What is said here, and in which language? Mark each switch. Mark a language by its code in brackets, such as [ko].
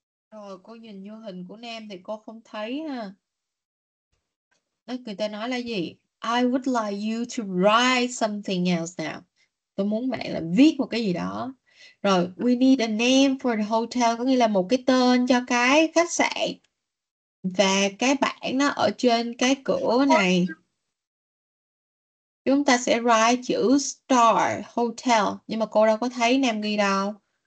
[vi] Rồi, cô nhìn vô hình của Nam thì cô không thấy ha. Đó, người ta nói là gì? [en] I would like you to write something else now. [vi] Tôi muốn bạn là viết một cái gì đó. Rồi, [en] we need a name for the hotel, [vi] có nghĩa là một cái tên cho cái khách sạn. Và cái bảng nó ở trên cái cửa này. Chúng ta sẽ write chữ Star Hotel. Nhưng mà cô đâu có thấy Nam ghi đâu.